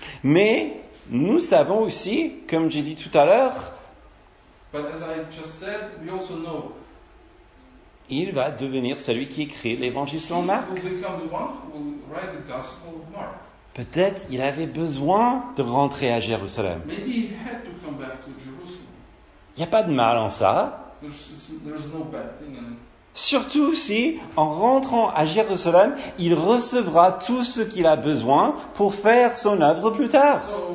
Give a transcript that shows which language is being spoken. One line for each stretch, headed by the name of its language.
French: Mais nous savons aussi, comme j'ai dit tout à l'heure,
English: but as I just said, we also know,
French: il va devenir celui qui écrit l'évangile selon Marc.
English: He will become the one who will write the gospel of Mark.
French: Peut-être il avait besoin de rentrer à Jérusalem.
English: Maybe he had to come back to Jerusalem.
French: Il n'y a pas de mal en ça.
English: There's no bad thing in it.
French: Surtout si, en rentrant à Jérusalem, il recevra tout ce qu'il a besoin pour faire son œuvre plus tard.